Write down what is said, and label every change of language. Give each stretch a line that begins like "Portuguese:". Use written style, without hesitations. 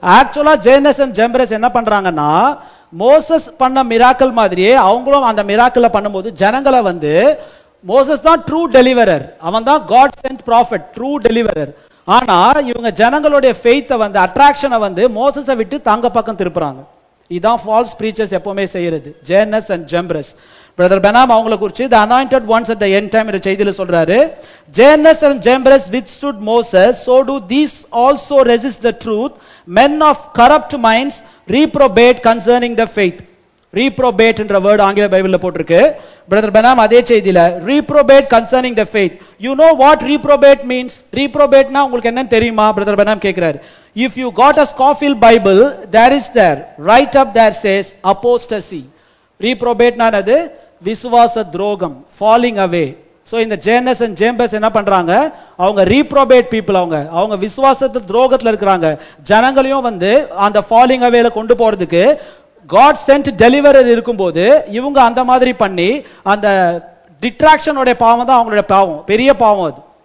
Tamil: ஆக்சுவலா Jane's and ஜேம்பரஸ் என்ன பண்றாங்கன்னா மோசஸ் பண்ண மிராக்கல் மாதிரியே அவங்களும் அந்த மிராக்கல பண்ணும்போது ஜனங்களை வந்து, மோசஸ் தான் ட்ரூ டெலிவரர், அவன் தான் God send prophet, true deliverer. ஆனா இவங்க ஜனங்களுடைய ஃபெய்த்தை வந்து அட்ராக்ஷனை வந்து மோசஸ விட்டு தங்க பக்கம் திருப்புறாங்க. இதுதான் ஃபால்ஸ் ப்ரீச்சர்ஸ் எப்பவுமே செய்யறது. ஜேனஸ் அண்ட் ஜேம்பரஸ் பிரதர் பெனாம் அவங்களை குறிச்சு
English: the anointed ones at the end time
Tamil: என்ற செய்தியில் சொல்றாரு.
English: Jannes and Jambres withstood Moses, so do these also resist the truth, men of corrupt minds, reprobate concerning the faith.
Tamil: Reprobate என்ற word ஆங்கில பைபிள்ல போட்டிருக்கு. Brother பெனாம் அதே செய்தியில
English: reprobate concerning the faith. You know what reprobate means? Reprobate-னா
Tamil: உங்களுக்கு என்னன்னு தெரியுமா? Brother பெனாம் கேட்கிறாரு.
English: If you got a Scofield Bible, there is there, right up there says apostasy.
Tamil: ரீப்ரோபேட்னானது விசுவாச துரோகம், ஃபாலிங் அவே. ஸோ இந்த ஜேனஸ் அண்ட் ஜேம்பஸ் என்ன பண்ணுறாங்க, அவங்க ரீப்ரோபேட் பீப்புள், அவங்க அவங்க விசுவாசத்து துரோகத்தில் இருக்கிறாங்க. ஜனங்களையும் வந்து அந்த ஃபாலிங் அவேல கொண்டு போகிறதுக்கு காட் சென்ட் டெலிவரர் இருக்கும்போது இவங்க அந்த மாதிரி பண்ணி அந்த டிட்ராக்ஷனுடைய பாவம் தான் அவங்களுடைய பாவம், பெரிய பாவம் அது.